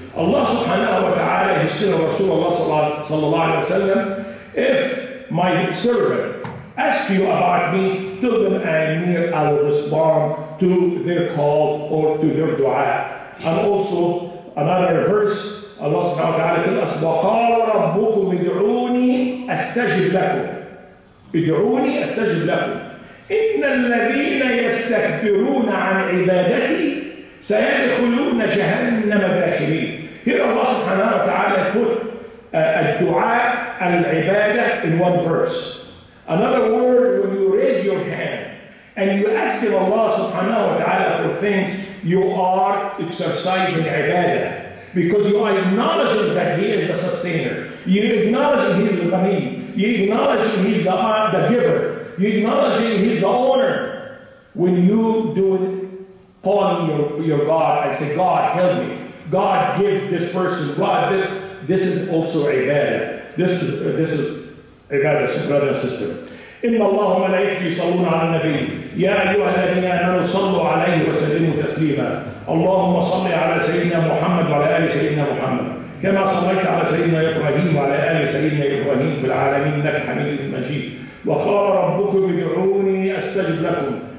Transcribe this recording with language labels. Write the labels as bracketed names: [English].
[Arabic] الله سبحانه وتعالى يشتري رسول الله صلى الله عليه وسلم: [English] If my servant asks you about me, tell them I will respond to their call or to their dua. And also another verse, Allah سبحانه وتعالى tells us: [Arabic] وقال ربكم ادعوني استجب لكم. ادعوني استجب لكم. إن الذين يستكبرون عن عبادتي سيدخلون جهنم داخلين. [English] Here Allah subhanahu wa ta'ala put الدُّعاء العبادة in one verse. Another word, when you raise your hand and you ask Allah subhanahu wa ta'ala for things, you are exercising عبادة. Because you are acknowledging that He is a sustainer. You acknowledge He is the Ghani. You acknowledge He is the giver. You're acknowledging He's the owner when you do it, calling your God and say, God, help me. God, give this person. God, this is also ibadah. This is ibadah, brother and sister. [Arabic] إِنَّ اللَّهُ مَلَائِكَتُهُ يُصَلُّونَ عَلَى النَّبِيِّ يَا أَيُّهَا الَّذِينَ آمَنُوا صَلُّوا عَلَيْهِ وَسَلِّمُوا تَسْلِيمًا اللهم صل على سيدنا محمد وعلى آل سيدنا محمد كما صليت على سيدنا إبراهيم وعلى آل سيدنا إبراهيم في العالمين إنك حميد مجيد وقال ربكم ادعوني استجب لكم